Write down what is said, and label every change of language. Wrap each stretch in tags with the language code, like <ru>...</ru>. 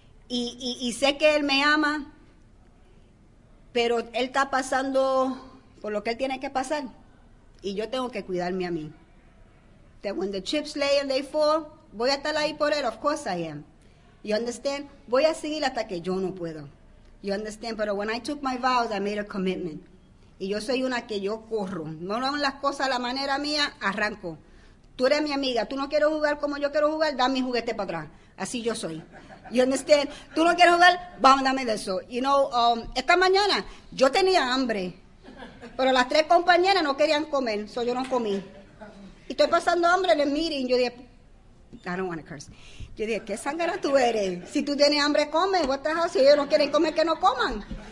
<es>Y sé que él me ama, pero él está pasando por lo que él tiene que pasar. Y yo tengo que cuidarme a mí.</es> <en>That when the chips lay and they fall,</en> <es>voy a estar ahí por él.</es> <en>Of course I am. You understand?</en> <es>Voy a seguir hasta que yo no puedo.</es> <en>You understand? But when I took my vows, I made a commitment.</en> <es>Y yo soy una que yo corro. No hago las cosas a la manera mía, arranco. Tú eres mi amiga. Tú no quieres jugar como yo quiero jugar, dame mi juguete para atrás. Así yo soy.</es> <en>You understand?</en> <es>Tú no quieres jugar, vamos, dame de eso. Esta mañana yo tenía hambre, pero las tres compañeras no querían comer, so yo no comí. Y estoy pasando hambre en el meeting. Yo dije,</es> <en>I don't want to curse.</en> <es>Yo dije, ¿qué sangra tú eres? Si tú tienes hambre, come.</es> <en>What the hell?</en> <es>Si ellos no quieren comer, que no coman.</es>